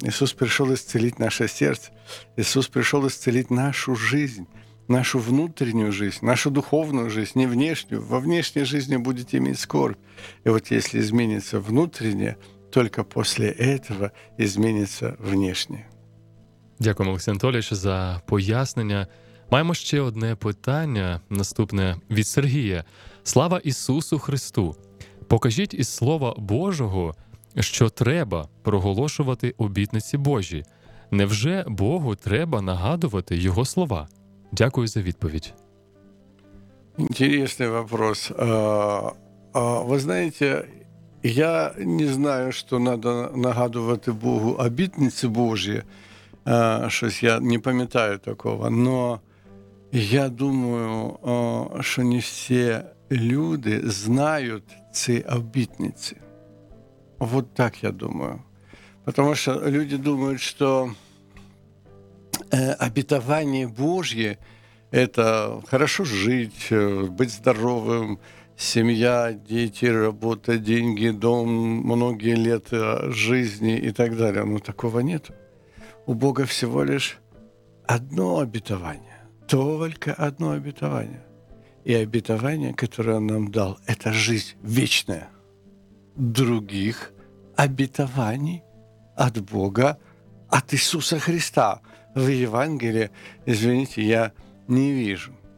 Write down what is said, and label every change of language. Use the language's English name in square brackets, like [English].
[Russian] Иисус пришел исцелить наше сердце. Иисус пришел исцелить нашу жизнь, нашу внутреннюю жизнь, нашу духовную жизнь, не внешнюю. Во внешней жизни будете иметь скорбь. И вот если изменится внутреннее, только после этого изменится внешнее. [Ukrainian] Дякуємо, Олексій Анатолійович, за пояснення. Маємо ще одне питання, наступне, від Сергія. Слава Ісусу Христу! Покажіть із Слова Божого, що треба проголошувати обітниці Божі. Невже Богу треба нагадувати Його слова? Дякую за відповідь. Інтересний вопрос. Ви знаєте, я не знаю, що треба нагадувати Богу обітниці Божі. Щось я не пам'ятаю такого, но я думаю, що не всі люди знають ці обітниці. [Russian] Вот так я думаю. Потому що люди [Ukrainian] думають, що обітування Божє [Russian] – это хорошо жить, быть здоровым, [Ukrainian] сім'я, діти, робота, [Russian] деньги, дом, многие лета жизни [Ukrainian] і так далі. [Russian] Ну, такого нету. У Бога всего лишь одно обетование, только одно обетование. И обетование, которое Он нам дал, это жизнь вечная. Других обетований от Бога, от Иисуса Христа в Евангелии, извините, я не вижу.